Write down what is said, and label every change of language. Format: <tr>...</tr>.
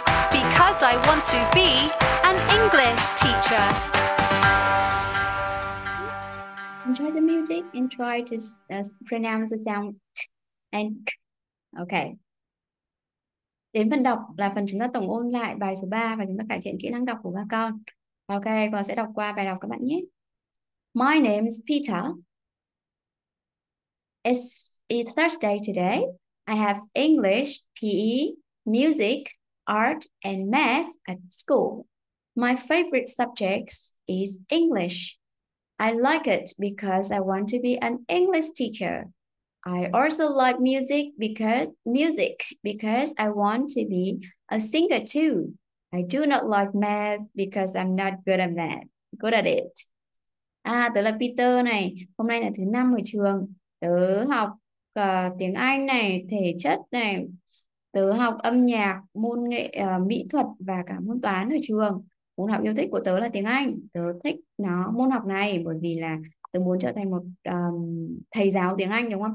<en>Because I want to be an English teacher. Enjoy the music and try to pronounce the sound. Okay.</en> <vi>Đến phần đọc là phần chúng ta tổng ôn lại bài số 3 và chúng ta cải thiện kỹ năng đọc của các con. Okay, con sẽ đọc qua bài đọc các bạn nhé.</vi> <en>My name is Peter. It's Thursday today. I have English, PE, music, art, and math at school. My favorite subjects is English. I like it because I want to be an English teacher. I also like music because I want to be a singer too. I do not like math because I'm not good at math. Good at it.</en> <vi>À, tớ là Peter này. Hôm nay là thứ năm ở trường. Tớ học tiếng Anh này, thể chất này. Tớ học âm nhạc, môn nghệ mỹ thuật và cả môn toán ở trường. Môn học yêu thích của tớ là tiếng Anh. Tớ thích nó môn học này bởi vì là tớ muốn trở thành một thầy giáo tiếng Anh, đúng không?</vi>